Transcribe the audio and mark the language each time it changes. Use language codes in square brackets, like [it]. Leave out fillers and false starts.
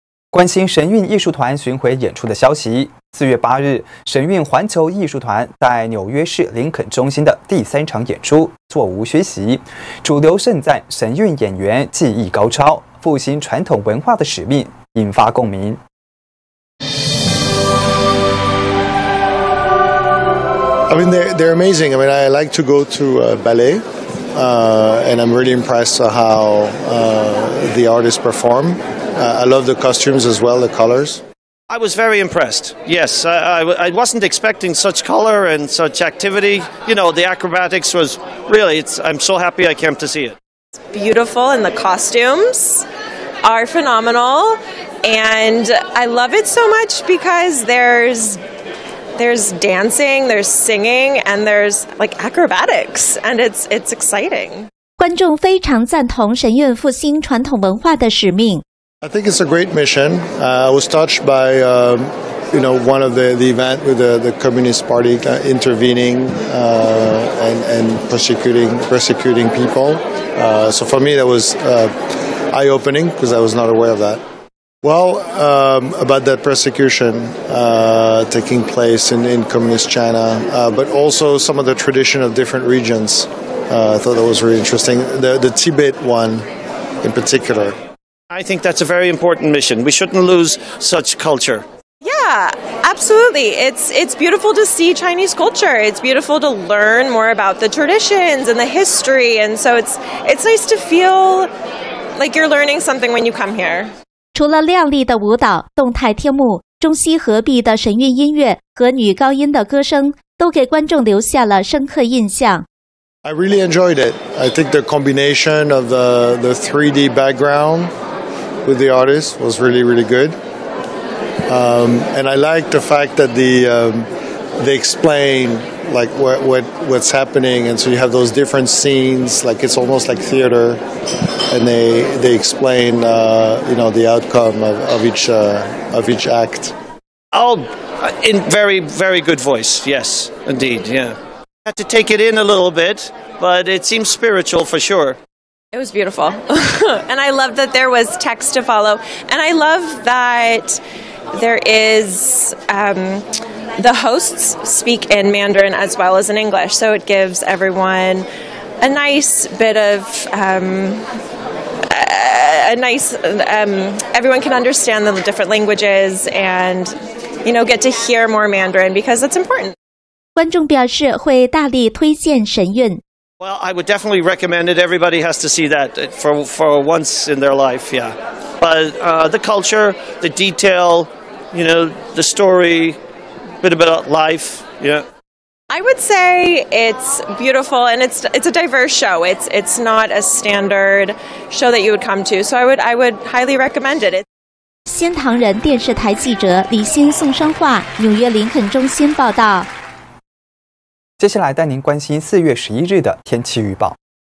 [zh] 关心神韵艺术团巡回演出的消息，4月8日，神韵环球艺术团在纽约市林肯中心的第三场演出座无虚席，主流盛赞神韵演员技艺高超，复兴传统文化的使命引发共鸣。 [en] I mean, they're amazing. I mean, I like to go to ballet, and I'm really impressed how the artists perform. I love the costumes as well, the colors. I was very impressed. Yes, I wasn't expecting such color and such activity. You know, the acrobatics was really, I'm so happy I came to see it. It's beautiful and the costumes are phenomenal. And I love it so much because there's dancing, there's singing, and there's like acrobatics. And it's exciting. [zh] 观众非常赞同神韵复兴传统文化的使命。 [en] I think it's a great mission. I was touched by, one of the event with the Communist Party intervening and persecuting people. So for me, that was eye-opening because I was not aware of that. Well, about that persecution taking place in Communist China, but also some of the tradition of different regions. I thought that was really interesting. The Tibet one in particular. I think that's a very important mission. We shouldn't lose such culture. Yeah, absolutely. It's beautiful to see Chinese culture. It's beautiful to learn more about the traditions and the history. And so it's nice to feel like you're learning something when you come here. [zh] 除了亮丽的舞蹈、动态天幕、中西合璧的神韵音乐和女高音的歌声，都给观众留下了深刻印象。 [en] I really enjoyed it. I think the combination of the 3D background with the artist was really, really good. And I like the fact that they explain like what's happening, and so you have those different scenes, like it's almost like theater, and they explain the outcome of each act. Oh, in very, very good voice. Yes, indeed. Yeah. Had to take it in a little bit, but it seems spiritual for sure. It was beautiful. And I love that there was text to follow. And I love that there is, the hosts speak in Mandarin as well as in English. So it gives everyone a nice bit of, everyone can understand the different languages and, get to hear more Mandarin because that's important. [zh] 观众表示会大力推荐神韵。 [en] Well, I would definitely recommend it. Everybody has to see that for once in their life, yeah. But the culture, the detail, the story, bit about life, yeah. I would say it's beautiful and it's a diverse show. It's not a standard show that you would come to. So I would highly recommend it. [zh] 新唐人电视台记者李欣、宋双桦，纽约林肯中心报道。接下来带您关心4月11日的天气预报。